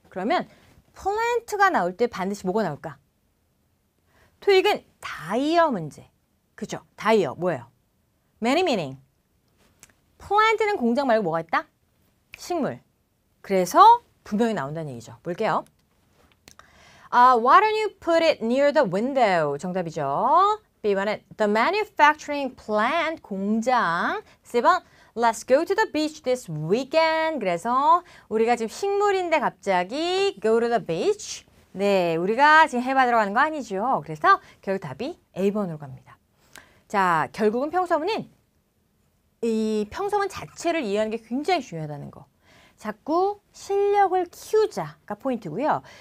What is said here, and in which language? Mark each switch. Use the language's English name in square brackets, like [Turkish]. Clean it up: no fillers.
[Korean] 그러면 plant가 나올 때 반드시 뭐가 나올까? 토익은 다이어 문제. 그죠? 다이어 뭐예요? [English] Many meaning. [Korean] Plant는 공장 말고 뭐가 있다? 식물. 그래서 분명히 나온다는 얘기죠. 볼게요. [English] Why don't you put it near the window? [Korean] 정답이죠. B번은 [English] the manufacturing plant, [Korean] 공장. [English] C번, let's go to the beach this weekend. [Korean] 그래서 우리가 지금 식물인데 갑자기 [English] go to the beach. [Korean] 네, 우리가 지금 해받으러 가는 거 아니죠. 그래서 결국 답이 A번으로 갑니다. 자, 결국은 평소문은 이 평소문 자체를 이해하는 게 굉장히 중요하다는 거. 자꾸 실력을 키우자가 포인트고요.